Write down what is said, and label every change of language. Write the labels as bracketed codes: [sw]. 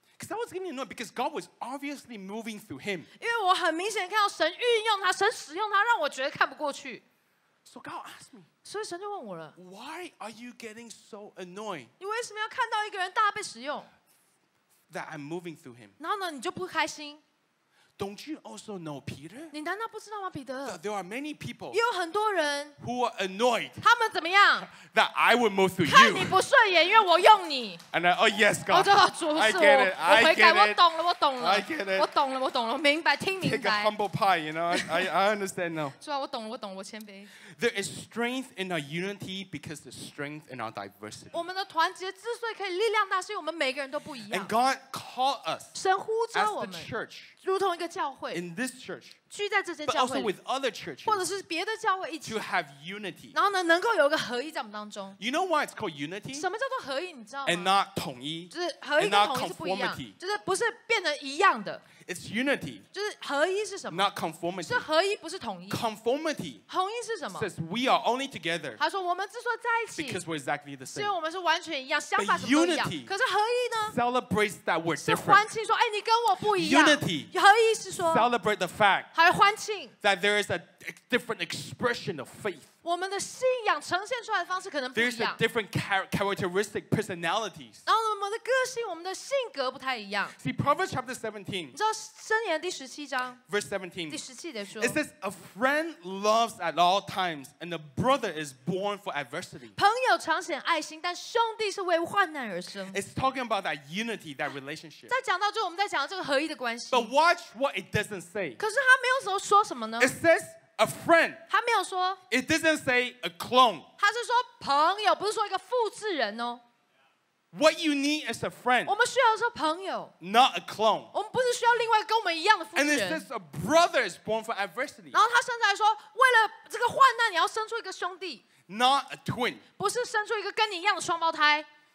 [en] I was getting annoyed because God was obviously moving through him. Because I was getting annoyed because God was So God asked me, [zh] 所以神就问我 [en] 了, Why are you getting so annoyed? [zh] 你为什么要看到一个人大被使用? [en] That I'm moving through him. [zh] 然后呢，你就不开心? [en] Don't you also know Peter? [zh] 你难道不知道吗, Peter? [en] There are many people, [zh] 也有很多人, [en] who are annoyed, [zh] 他们怎么样? [en] That I would move through you. [zh] 看你不顺眼，因为我用你。 [en] And I, oh yes, God. [zh] 我就说主是我, [en] I get it, I get it. [zh] 我懂了, 我懂了。 [en] I get it. [zh] 我懂了, 我懂了, 我明白, 听明白。 [en] Take a humble pie, you know, I understand now. [zh] 主啊, 我懂了, 我懂了, 我谦卑。 [en] There is strength in our unity because there's strength in our diversity. [zh] 我们的团结之所以可以力量大，是因为我们每个人都不一样。 [en] And God called us, [zh] 神呼召我们, [en] as the church, [zh] 如同一个教会。 [en] In this church, [zh] 聚在这间教会 [en] but also with other churches, [zh] 或者是别的教会一起 [en] to have unity. [zh] 然后呢能够有一个合一在我们当中 [en] You know why it's called unity? [zh] 什么叫做合一你知道吗 [en] And not 统一 [zh] 就是合一跟统一是不一样 就是不是变得一样的 [en] It's unity [zh] 就是合一是什么 [en] Not conformity [zh] 是合一不是统一 [en] Conformity [zh] 统一是什么 [en] Says we are only together [zh] 他说我们之所以在一起 [en] Because we're exactly the same [zh] 因为我们是完全一样想法什么都一样 [en] But unity [zh] 可是合一呢 [en] Celebrates that we're different [zh] 是欢庆说哎你跟我不一样 [en] Unity [zh] 合一是说 [en] Celebrate the fact [zh] 还欢庆 [en] that there is a different expression of faith. [zh] 我们的信仰呈现出来的方式可能不一样 [en] There's a different characteristic personalities. [zh] 然后我们的个性，我们的性格不太一样 [en] See Proverbs chapter 17. [zh] 你知道箴言第十七章 [en] verse 17. [zh] 第十七节说 [en] It says a friend loves at all times, and a brother is born for adversity. [zh] 朋友常显爱心，但兄弟是为患难而生 [en] It's talking about that unity, that relationship. [zh] 在讲到就我们在讲到这个合一的关系 [en] But watch what it doesn't say. [zh] 可是他没有怎么说什么呢 [en] It says A friend. [zh] 他没有说 [en] It doesn't say a clone. [zh] 他是说朋友，不是说一个复制人哦。 [en] What you need is a friend. [zh] 我们需要的是朋友 [en] Not a clone. [zh] 我们不是需要另外跟我们一样的复制人 [en] And it says a brother is born for adversity. [zh] 然后他甚至还说，为了这个患难，你要生出一个兄弟 [en] Not a twin. [zh] 不是生出一个跟你一样的双胞胎。